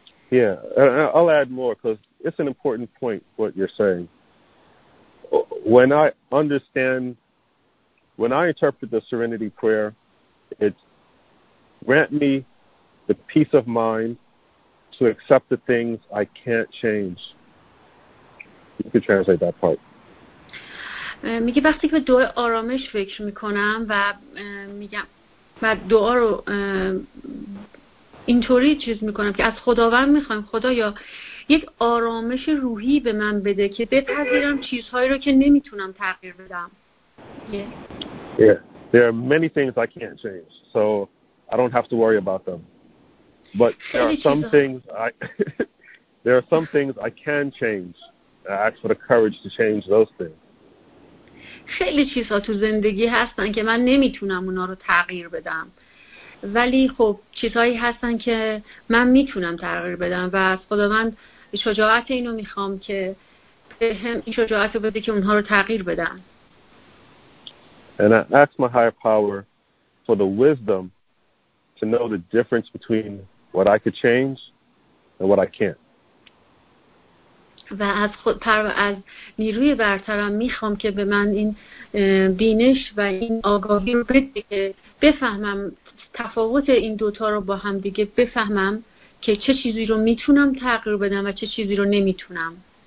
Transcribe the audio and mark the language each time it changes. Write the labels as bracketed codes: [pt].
[en] Yeah, I'll add more because it's an important point what you're saying. When I understand, when I interpret the serenity prayer, it's grant me the peace of mind to accept the things I can't change. You can translate that part. [fa] میگه وقتی که به دعای آرامش فکر میکنم و میگم و دعا رو اینطوری چیز میکنم که از خداوند میخوام خدایا یک آرامش روحی به من بده که بپذیرم چیزهایی رو که نمیتونم تغییر بدم. [en] Yeah. There are many things I can't change. So I don't have to worry about them. But there are some things I can change. I ask for the courage to change those things. [fa] خیلی چیزها تو زندگی هستن که من نمیتونم اونا رو تغییر بدم، ولی خب چیزهایی هستن که من میتونم تغییر بدم و از خداوند شجاعت اینو میخوام که به هم این شجاعت رو بده که اونها رو تغییر بدم. [en] And I ask my higher power for the wisdom to know the difference between what I could change and what I can't. [fa] و از خود پر از نیروی برترم میخوام که به من این بینش و این آگاهی رو بده که بفهمم تفاوت این دوتا رو با هم دیگه، بفهمم که چه چیزی رو میتونم تغییر بدم و چه چیزی رو نمیتونم.